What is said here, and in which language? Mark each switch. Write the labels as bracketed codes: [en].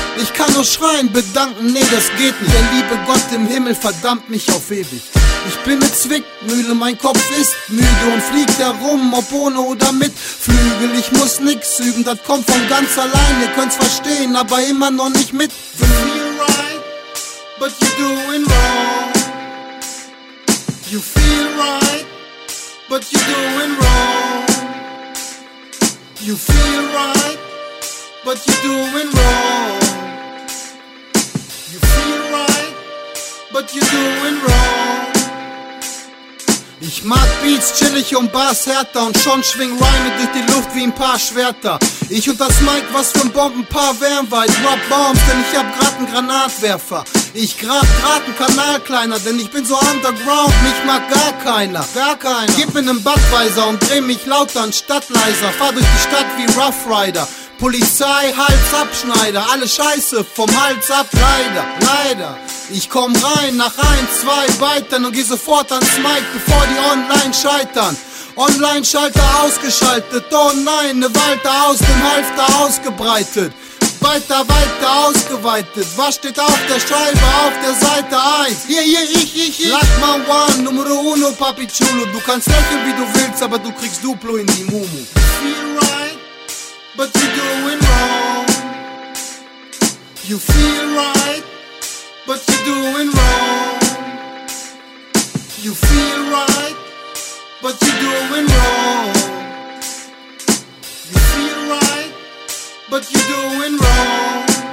[de] Ich kann nur schreien, bedanken, nee, das geht nicht. Der liebe Gott im Himmel verdammt mich auf ewig. Ich bin eine Zwickmühle, mein Kopf ist müde und fliegt herum, ob ohne oder mit Flügel. Ich muss nix üben, das kommt von ganz allein. Ihr könnt's verstehen, aber immer noch nicht mit. [en] You feel right, but you're doing wrong. You feel right, but you're doing wrong. You feel right, but you're doing wrong. You feel right, but you're doing wrong. [de] Ich mag Beats, chillig und Bass härter. Und schon schwing Rhyme durch die Luft wie ein paar Schwerter. Ich und das Mic, was für ein Bombenpaar wären, weil ich [en] drop Bombs, [de] denn ich hab grad einen Granatwerfer. Ich grab grad einen Kanal kleiner, denn ich bin so underground, mich mag gar keiner. Gar keiner. Gib mir nen Budweiser und dreh mich lauter anstatt leiser. Fahr durch die Stadt wie Rough Rider. Polizei, Hals abschneider, alle Scheiße vom Hals ab, leider, leider. Ich komm rein nach 1, 2 weitern und geh sofort ans Mic, bevor die online scheitern. Online-Schalter ausgeschaltet, oh nein, ne Walter aus dem Halfter ausgebreitet. Weiter, weiter ausgeweitet, was steht auf der Scheibe, auf der Seite 1? Hier, hier, ich. Lachmann One, [es] Numero Uno, Papi Chulo. [de] Du kannst lächeln wie du willst, aber du kriegst Duplo in die Mumu. [en] But you're doing wrong. You feel right, but you're doing wrong. You feel right, but you're doing wrong. You feel right, but you're doing wrong.